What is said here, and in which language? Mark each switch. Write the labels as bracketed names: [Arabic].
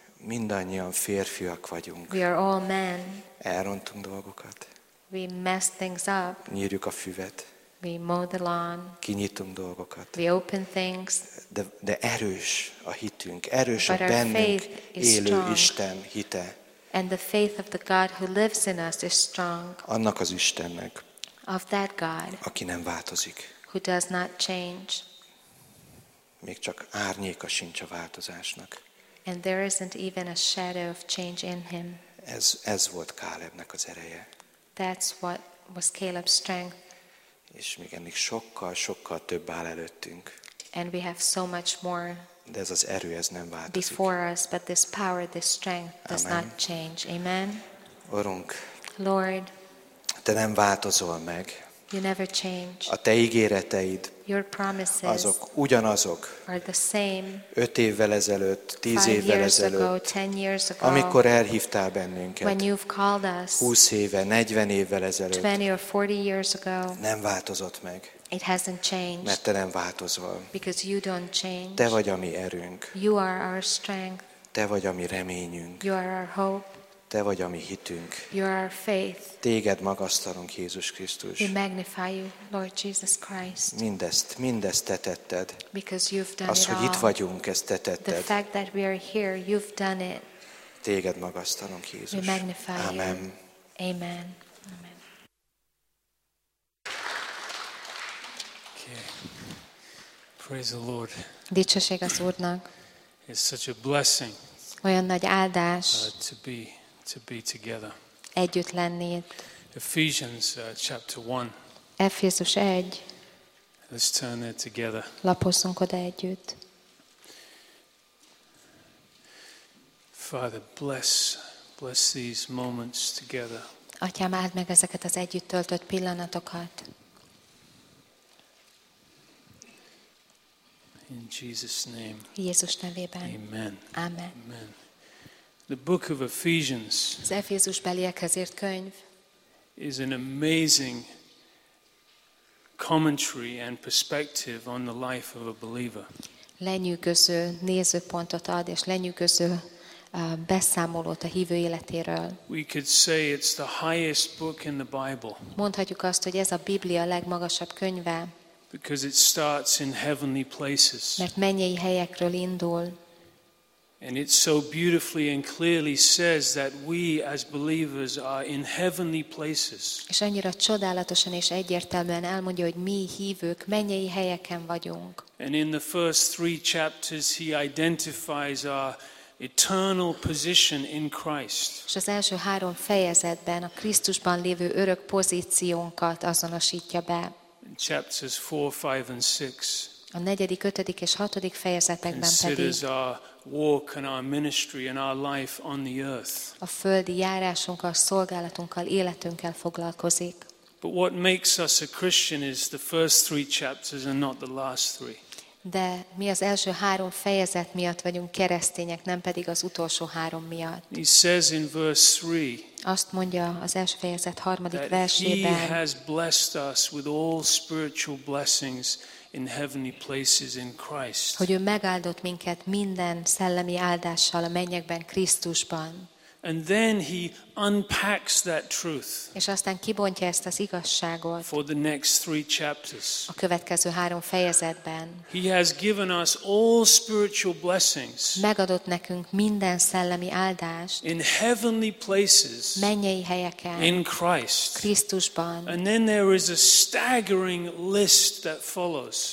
[Hungarian] Mindannyian férfiak vagyunk. [English] We are all men. [Hungarian] Elrontunk dolgokat. [English] We mess things up. [Hungarian] Nyírjuk a füvet. [English] We mow the lawn. [Hungarian] Kinyitunk dolgokat. [English] We open things. [Hungarian] De erős a hitünk, erős a bennünk élő Isten hite. [English] And the faith of the God who lives in us is strong. [Hungarian] Annak az Istennek. [English] Of that God. [Hungarian] Aki nem változik. [English] Who does not change. [Hungarian] Még csak árnyéka sincs a változásnak. [English] And there isn't even a shadow of change in him. [Hungarian] Ez volt Kálebnek az ereje. [English] That's what was Caleb's strength. [Hungarian] És még ennél sokkal több áll előttünk. [English] And we have so much more. [Hungarian] De ez az erő, ez nem változik. [English] Before us, but this power, this strength does [Hungarian] Amen. [English] Not change. Amen. [Hungarian] Urunk. [English] Lord. [Hungarian] Te nem változol meg. [English] You never change. [Hungarian] A te ígéreteid. [English] Your promises. [Hungarian] Azok ugyanazok. [English] Are the same. [Hungarian] 5 évvel ezelőtt, 10 évvel ezelőtt. [English] 10 years ago. [Hungarian] Amikor elhívtál bennünket. [English] When you've called us. [Hungarian] 20 éve, 40 évvel ezelőtt. [English] 20 or 40 years ago. [Hungarian] Nem változott meg. [English] It hasn't changed. [Hungarian] Mert te nem változol. [English] Because you don't change. [Hungarian] Te vagy a mi erőnk. [English] You are our strength. [Hungarian] Te vagy a mi reményünk. [English] You are our hope. [Hungarian] Te vagy a mi hitünk. [English] You are our faith. [Hungarian] Téged magasztalunk, Jézus Krisztus. [English] We magnify you, Lord Jesus Christ. [Hungarian] Mindezt te tetted. [English] Because you've done it all. [Hungarian] Az, hogy itt vagyunk, ezt te tetted. [English] The fact that we are here, you've done it. [Hungarian] Téged magasztalunk, Jézus. [English] We magnify you. [Hungarian] Amen. [English] Amen. Okay. Praise the Lord. [Hungarian] Dicsőség az Úrnak. [English] It's such a blessing. [Hungarian] Olyan nagy áldás. [English] To be together. [Hungarian] Együtt lenni itt. [English] Ephesians chapter 1. [Hungarian] Efézus 1. [English] Let's turn there together. [Hungarian] Lapozzunk oda együtt. [English] Father, bless these moments together. [Hungarian] Atyám, áld meg ezeket az együtt töltött pillanatokat. [English] In Jesus' name. [Hungarian] Jézus nevében. [English] Amen. [Hungarian] Amen. [English] Amen. The book of Ephesians. [Hungarian] Az Efézusbeliekhez írt könyv. [English] Is an amazing commentary and perspective on the life of a believer. [Hungarian] Lenyűgöző nézőpontot ad és lenyűgöző beszámolót a hívő életéről. [English] We could say it's the highest book in the Bible. [Hungarian] Mondhatjuk azt, hogy ez a Biblia legmagasabb könyve. [English] Because it starts in heavenly places. [Hungarian] Mert mennyei helyekről indul. [English] And it so beautifully and clearly says that we as believers are in heavenly places. [Hungarian] És annyira csodálatosan és egyértelműen elmondja, hogy mi hívők mennyei helyeken vagyunk. [English] And in the first 3 chapters he identifies our eternal position in Christ. [Hungarian] És az első 3 fejezetben a Krisztusban lévő örök pozíciónkat azonosítja be. [English] Chapters 4, 5 and 6. [Hungarian] A 4., 5. és 6. fejezetekben pedig [English] walk and our ministry and our life on the earth. [Hungarian] A földi járásunkkal, szolgálatunkkal, életünkkel foglalkozik. [English] But what makes us a Christian is the first 3 chapters and not the last 3. [Hungarian] De mi az első 3 fejezet miatt vagyunk keresztények, nem pedig az utolsó 3 miatt. [English] He says in verse 3. [Hungarian] Azt mondja az első fejezet 3. versében. [English] He has blessed us with all spiritual blessings in heavenly places in Christ. [Hungarian] Hogy ő megáldott minket minden szellemi áldással a mennyekben Krisztusban. [English] And then he unpacks that truth. [Hungarian] És aztán kibontja ezt az igazságot. [English] For the next 3 chapters. [Hungarian] A következő 3 fejezetben. [English] He has given us all spiritual blessings. [Hungarian] Megadott nekünk minden szellemi áldást. [English] In heavenly places. [Hungarian] Mennyei helyeken. [English] In Christ. [Hungarian] Krisztusban. [English] And then there is a staggering list that follows.